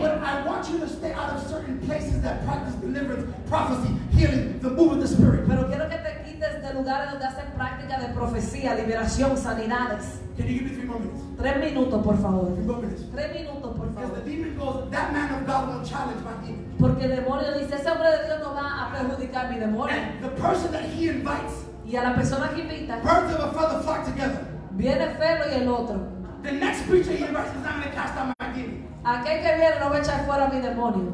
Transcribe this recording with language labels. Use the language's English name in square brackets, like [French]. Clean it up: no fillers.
[English] But I want you to stay out of certain places that practice deliverance, prophecy, healing, the move of the Spirit. [Spanish] Pero quiero que te quites de lugares donde hacen práctica de profecía, liberación, sanidades. [English] Can you give me 3 more minutes? [Spanish] 3 minutos, por favor. [English] 3 more minutes. [Spanish] 3 minutos, por favor. [English] Because the demon goes, that man of God will challenge my demon. [Spanish] Porque el demonio dice, ese hombre de Dios no va a perjudicar mi demonio. [English] And the person that he invites. [Spanish] Y a la persona que invita. [English] Birds of a feather flock together. [Spanish] Viene Felo y el otro. [English] The next preacher he invites is not going to cast out my demon. [Spanish] Aquel que viene no va a echar fuera mi demonio.